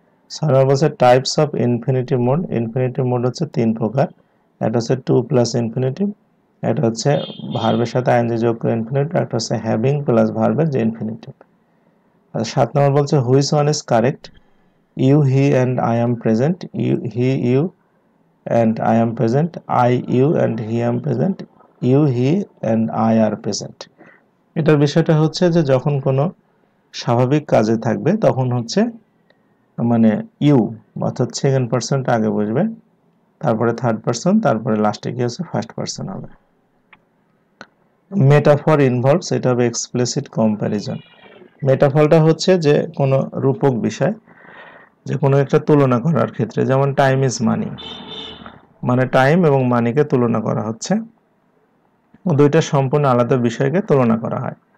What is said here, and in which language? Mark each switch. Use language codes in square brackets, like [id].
[bn] 6 নম্বর বলছে types of infinity mode, infinity mode হচ্ছে 3 প্রকার, একটা হচ্ছে 2+ইনফিনিটি, একটা হচ্ছে ভার্বের সাথে আইএনজি যোগ করে ইনফিনিটি, একটা হচ্ছে হ্যাভিং প্লাস ভার্বের যে ইনফিনিটি। আর 7 নম্বর বলছে [en] Which one is correct, you he and I am present, you he you and I am present, I, you, and he am present, you, he, and I are present. [bn] এটার বিষয়টা হচ্ছে যে যখন কোনো স্বাভাবিক কাজে থাকবে তখন হচ্ছে মানে ইউ অর্থাৎ সেকেন্ড পার্সনটা আগে বসবে, তারপরে থার্ড পার্সন, তারপরে লাস্টে কি আছে ফার্স্ট পার্সন হবে। মেটাফর ইনভলভস, এটা হবে এক্সপ্লিসিট কম্প্যারিজন। মেটাফরটা হচ্ছে যে কোনো রূপক বিষয়, যে কোনো একটা তুলনা করার ক্ষেত্রে, যেমন [en] time is money, [bn] মানে টাইম এবং মানিকে তুলনা করা হচ্ছে, দুইটা সম্পূর্ণ আলাদা বিষয়কে তুলনা করা হয়।